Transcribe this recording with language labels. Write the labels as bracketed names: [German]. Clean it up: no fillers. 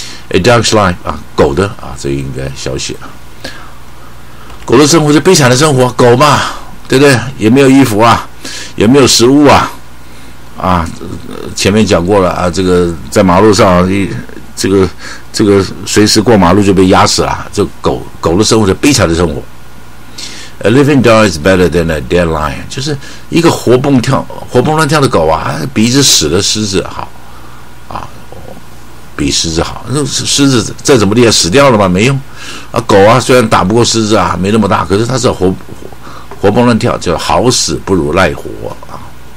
[English] A dog's life [Chinese] 啊，狗的啊，这应该消息啊。狗的生活是悲惨的生活，狗嘛，对不对？也没有衣服啊，也没有食物啊，啊，前面讲过了啊，这个在马路上，这个随时过马路就被压死了，就狗的生活是悲惨的生活。 [English] A living dog is better than a dead lion. [Chinese] 就是一个活蹦跳、活蹦乱跳的狗啊，比一只死的狮子好啊，比狮子好。那狮子再怎么厉害，死掉了吧，没用啊。狗啊，虽然打不过狮子啊，没那么大，可是它是活蹦乱跳，就好死不如赖活啊。